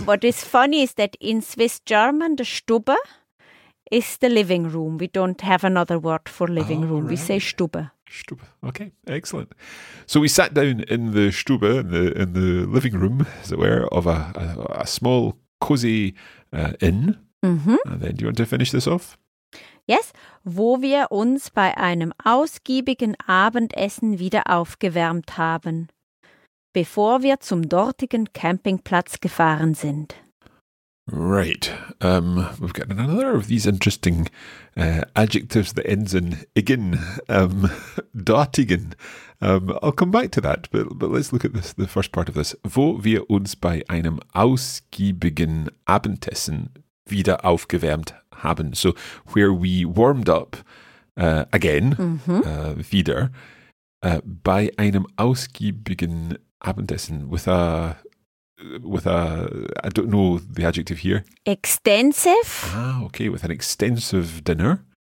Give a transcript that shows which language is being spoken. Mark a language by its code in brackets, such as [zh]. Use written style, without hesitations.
[en] What is funny is that in Swiss German, the Stube is the living room. We don't have another word for living room. Right. We say Stube. Stube. Okay, excellent. So we sat down in the Stube, in the living room, as it were, of a small, cozy inn. Mm-hmm. And then, do you want to finish this off? Yes, [de] wo wir uns bei einem ausgiebigen Abendessen wieder aufgewärmt haben, bevor wir zum dortigen Campingplatz gefahren sind. [en] Right, we've got another of these interesting adjectives that ends in igen, dortigen. I'll come back to that, but let's look at this, the first part of this. [de] Wo wir uns bei einem ausgiebigen Abendessen wieder aufgewärmt haben. [en] So, where we warmed up again, mm-hmm. [de] Wieder, bei einem ausgiebigen Abendessen, [en] with a, I don't know the adjective here. Extensive. Ah, okay, with an extensive dinner.